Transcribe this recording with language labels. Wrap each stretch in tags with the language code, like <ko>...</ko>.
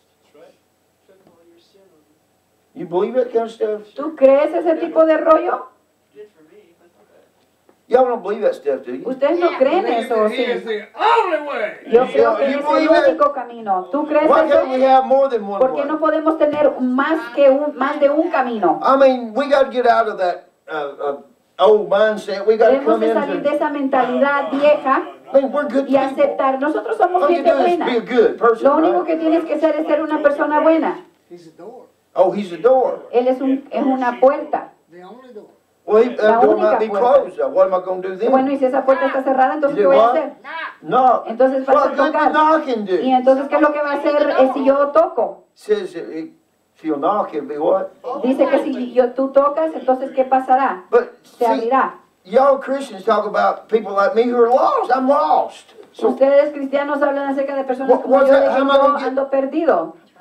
<en>That's right. Took all your sin on you. You believe that kind of stuff?</en> <es>¿Tú crees ese tipo de rollo?</es> <en>Did for me, but okay. Y'all don't believe that stuff, do you?</en> <es>Ustedes no creen eso, ¿sí?</es> <en>He is the only way.</en> <es>Yo creo que es el único camino. ¿Tú crees eso?</es> <en>Why can't we have more than one way?</en> <es>¿Por qué no podemos tener más de un camino?</es> <en>I mean, we got to get out of that. Old mindset. We got to come in.</en> <es>Salir de esa mentalidad vieja y aceptar. Nosotros somos gente buena.</es> <en>Be a good person,</en> <es>lo único que tienes que hacer es ser una persona buena.</es> <en>Oh, he's a door.</en> <es>Él es una puerta.</es> <en>Well, the door might be closed. What am I going to do then?</en> <es>Bueno, y si esa puerta está cerrada, entonces ¿qué voy a hacer? No. Entonces vas a tocar.</es> <en>What good knocking do?</en> <es>Y entonces qué es lo que va a hacer si yo toco?</es> <en>Says it. If you knock, it'll be what?</en> <es>Dice que si tú tocas, entonces ¿qué pasará?</es> <en>But,</en> <es>se abrirá.</es> <en>Y'all Christians talk about people like me who are lost. I'm lost.</en> <es>So, ustedes cristianos hablan acerca de personas como yo, de que yo ando perdido.</es>